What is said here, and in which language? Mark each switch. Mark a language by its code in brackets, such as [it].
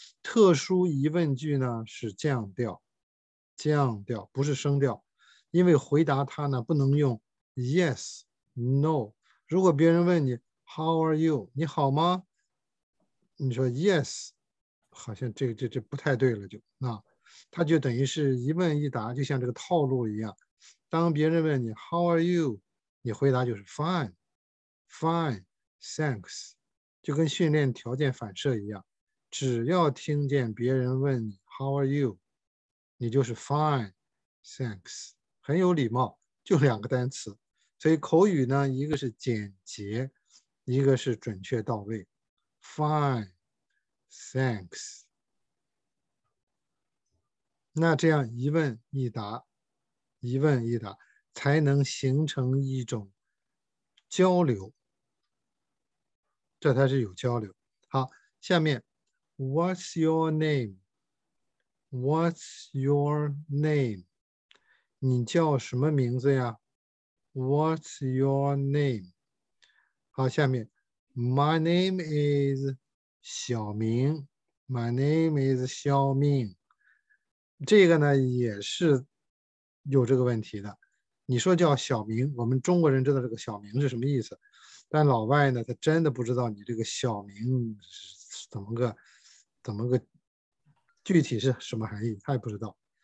[zh] 特殊疑问句呢是降调，降调不是升调，因为回答它呢不能用 yes、no。如果别人问你 [en] How are you？ [zh] 你好吗？你说 yes，好像这不太对了，它就等于是一问一答，就像这个套路一样。当别人问你 [en] How are you？ [zh] 你回答就是 [en] Fine，Fine，Thanks， [zh] 就跟训练条件反射一样。只要听见别人问你 [en] How are you？ [zh] 你就是 [en] Fine，Thanks， [zh] 很有礼貌，就两个单词。所以口语呢，一个是简洁，一个是准确到位。 [en] Fine, thanks。 [zh] 那这样一问一答，一问一答，才能形成一种交流。这才是有交流。好，下面， [en] What's your name？What's your name？ [zh] 你叫什么名字呀？ [en] What's your name？ [zh] 好，下面， [en] My name is。 小明，My name is 小明。 [zh] 这个呢也是有这个问题的。你说叫小明，我们中国人知道这个小明是什么意思，但老外呢，他真的不知道你这个小明是怎么个具体是什么含义，他也不知道。